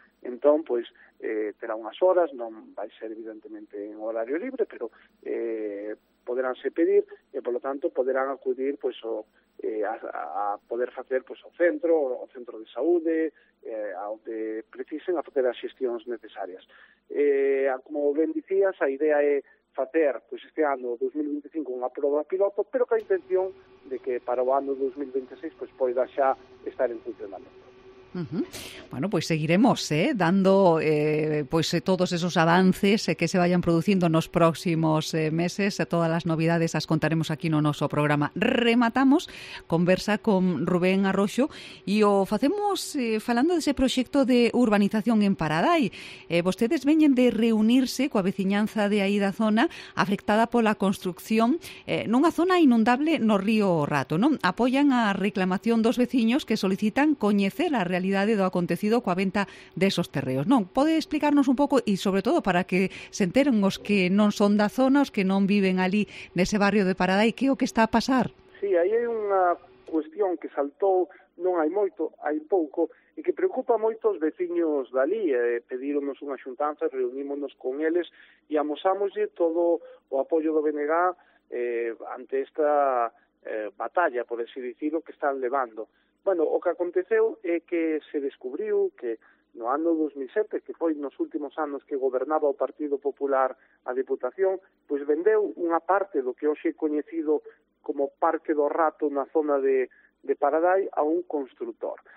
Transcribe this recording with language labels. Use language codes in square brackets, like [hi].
[gl] Entón, pois, terá unhas horas, non vai ser evidentemente en horario libre, pero poderánse pedir e, polo tanto, poderán acudir pois, a poder facer pois, o centro de saúde, a onde precisen a facer as xestións necesarias. Como ben dicías, a idea é facer pois, este ano 2025 unha prova piloto, pero que a intención de que para o ano 2026 pois, poida xa estar en funcionamento. [es] Bueno, pues seguiremos dando pues todos esos avances que se vayan produciendo en los próximos meses. Todas las novedades las contaremos aquí en nuestro programa. [gl] Rematamos conversa con Rubén Arroxo [es] y [gl] o facemos falando [es] de ese proyecto de urbanización en Paradai. [gl] Vostedes veñen de reunirse coa veciñanza de aí da zona afectada pola construcción nunha zona inundable no río Rato, ¿no? [es] Apoyan [gl] a reclamación dos veciños que solicitan coñecer a [es] realidad de lo acontecido con la venta de esos terreos. No, ¿puede explicarnos un poco y sobre todo para que se enteren los que no son da zona, los que no viven allí en ese barrio de Paradai, [gl] qué o que está a pasar? [es] Sí, ahí hay una cuestión que saltó, no hay mucho, hay poco, y que preocupa mucho a los vecinos de allí. [gl] Pedíronos una xuntanza, reunímonos con ellos y amosámosle todo o apoyo do BNG ante esta batalla, por así decirlo, que están levando. Bueno, o que aconteceu é que se descubriu que no ano 2007, que foi nos últimos anos que gobernaba o Partido Popular a Diputación, pois vendeu unha parte do que hoxe é coñecido como Parque do Rato na zona de Paradai a un constructor.